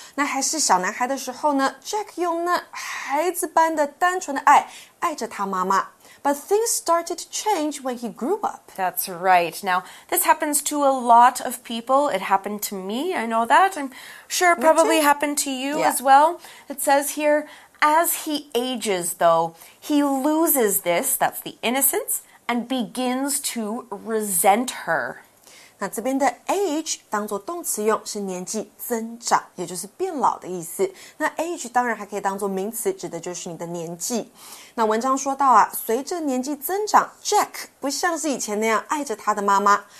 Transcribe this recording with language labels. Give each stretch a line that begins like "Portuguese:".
Chinese: 那还是小男孩的时候呢 ，Jack 用那孩子般的单纯的爱爱着他妈妈。
English: But things started to change when he grew up. That's right. Now, this happens to a lot of people. It happened to me, I know that. I'm sure it probably happened to you as well. It says here, as he ages, though, he loses this, that's the innocence, and begins to resent her.
Chinese: 那这边的 age 当作动词用是年纪增长，也就是变老的意思。那 age 当然还可以当作名词，指的就是你的年纪。那文章说到啊，随着年纪增长 ，Jack 不像是以前那样爱着他的妈妈。